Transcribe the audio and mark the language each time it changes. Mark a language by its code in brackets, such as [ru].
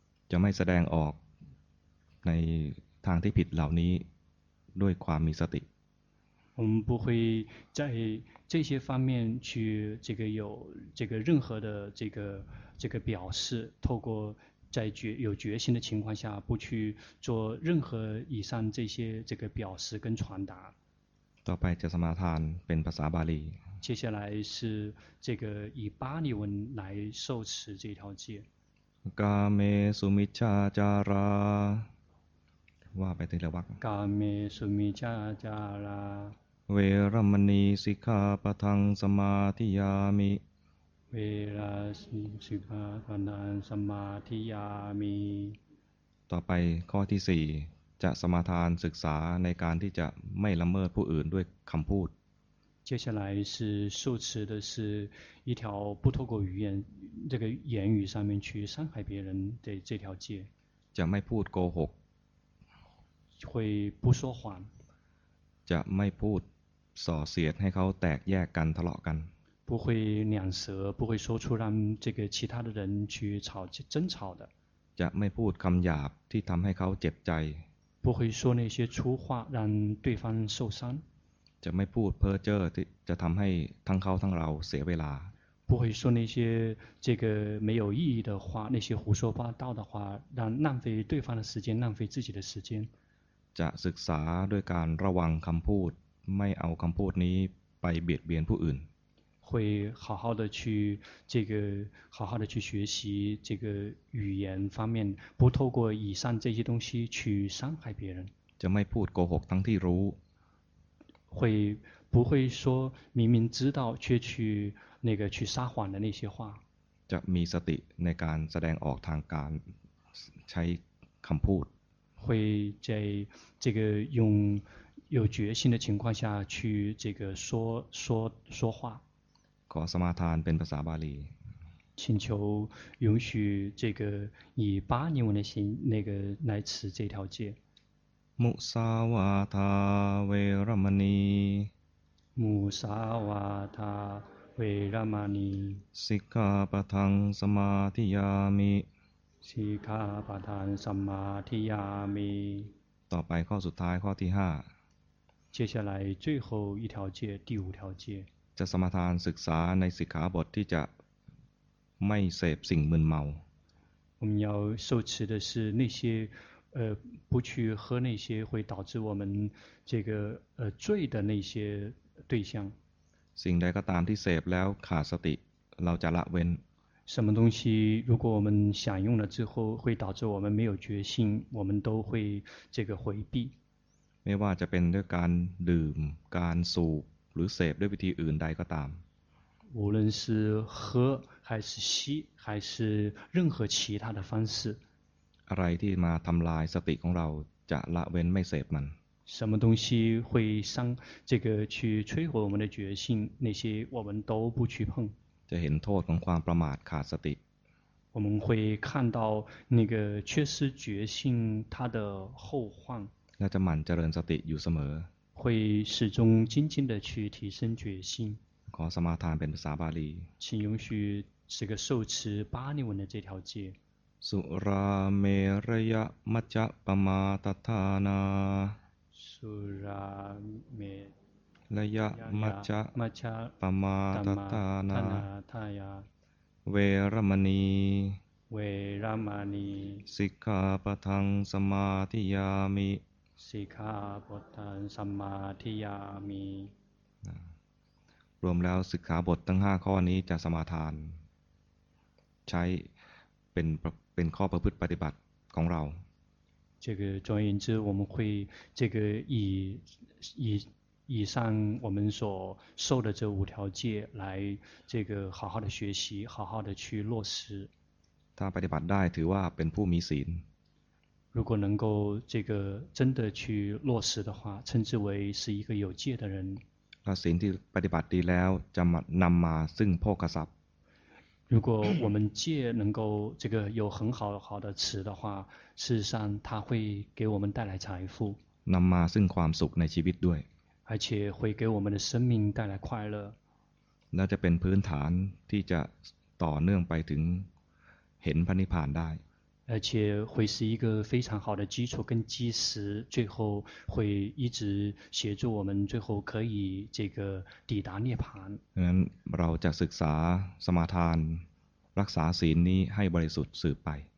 [th] จะไม่แสดงออกในทางที่ผิดเหล่านี้ด้วยความมีสติ [zh] ผม不会在这些方面去这个有这个任何的这个这个表示透过在决有决心的情况下不去做任何以上这些这个表示跟传达 [th] ต่อไปจะสมาทานเป็นภาษาบาลี [zh] 接下来是这个以巴利文来受持这条戒 [pi] กาเมสุมิชฌาจารา [th] ว่าไปทีละวรรค [pi] กาเมสุมิชฌาจารา เวรมณีสิกขาปะทังสมาธิยามิ เวรสิกขาปะทังสมาธิยามิ [th] ต่อไปข้อที่4จะสมาทานศึกษาในการที่จะไม่ละเมิดผู้อื่นด้วยคำพูด [zh] 接下来是受持的是一条不透过语言这个言语上面去伤害别人的这条戒 [th] จะไม่พูดโกหก [zh] 会不说谎 [th] จะไม่พูดส่อเสียดให้เขาแตกแยกกันทะเลาะกัน [zh] 不会两舌不会说出让这个其他的人去吵争吵的 [th] จะไม่พูดคำหยาบที่ทำให้เขาเจ็บใจ [zh] 不会说那些粗话让对方受伤 [th] จะไม่พูดเพ้อเจ้อที่จะทำให้ทั้งเขาทั้งเราเสียเวลา [zh] 不会说那些这个没有意义的话那些胡说八道的话让浪费对方的时间浪费自己的时间 [th] จะศึกษาด้วยการระวังคำพูดไม่เอาคำพูดนี้ไปเบียดเบียนผู้อื่น [zh] 会好好的去这个好好的去学习这个语言方面不透过以上这些东西去伤害别人 [th] จะไม่พูดโกหกทั้งที่รู้ [zh] 会不会说明明知道却去那个去撒谎的那些话 [th] จะมีสติในการแสดงออกทางการใช้คำพูด [zh] 会在这个用有决心的情况下去这个说话 [th] ขอสมาทานเป็นภาษาบาลี [zh] 请求允许这个以巴利文的形那个来持这条戒 [pi] มุสาวาทาเวรมณี มุสาวาทาเวรมณี สิกขาปะทังสมาธิยามิ สิกขาปะทังสมาธิยามิ [th] ต่อไปข้อสุดท้ายข้อที่5 [zh] 接下来最后一条戒第五条戒 [th] จะสมาทานศึกษาในสิกขาบทที่จะไม่เสพสิ่งมึนเมา [zh] 我们要受持的是那些不去喝那些会导致我们这个醉的那些对象。 [th] สิ่งใดก็ตามที่เสพแล้วขาดสติเราจะละเว้น [zh] 什么东西如果我们享用了之后会导致我们没有决心我们都会这个回避 [th] ไม่ว่าจะเป็นด้วยการดื่มการสูบหรือเสพด้วยวิธีอื่นใดก็ตาม [zh] 无论是喝还是吸还是任何其他的方式 [th] อะไรที่มาทำลายสติของเราจะละเว้นไม่เสพมัน [zh] 什么东西会伤这个去摧毁我们的决心那些我们都不去碰 [th] จะเห็นโทษของความประมาทขาดสติ [zh] 我们会看到那个缺失决心它的后患 [th] และจะหมั่นเจริญสติอยู่เสมอ [zh] 会始终精进的去提升决心 [th] ขอสมาทานเป็นภาษาบาลี [zh] 请允许这个受持巴利文的这条戒 [pi] สุราเมรยะมัจจปมาตทานา สุราเม รยะมัจ จ ปมาตทานา ทายา เวรมณี เวรมณี สิกขาปทังสมาธิยามิ สิกขาปทังสมาธิยามิ [th] รวมแล้วสิกขาบททั้ง5ข้อนี้จะสมาทานใช้เป็นข้อประพฤติปฏิบัติของเรา [zh] 这个总而言之我们会这个以上我们所受的这五条戒来这个好好的学习好好的去落实 [th] ถ้าปฏิบัติได้ถือว่าเป็นผู้มีศีล [zh] 如果能够这个真的去落实的话称之为是一个有戒的人 [th] ศีลที่ปฏิบัติดีแล้วจะนำมาซึ่งโภคทรัพย์ [zh] 如果我们戒能够这个有很好好的持的话事实上它会给我们带来财富 [th] นำมาซึ่งความสุขในชีวิตด้วย [zh] 而且会给我们的生命带来快乐 [th] น่าจะเป็นพื้นฐานที่จะต่อเนื่องไปถึงเห็นพระนิพพานได้ [zh] 而且会是一个非常好的基础跟基石最后会一直协助我们最后可以这个抵达涅槃 [th] ดังนั้นเราจะศึกษาสมาทานรักษาศีลนี้ให้บริสุทธิ์สืบไป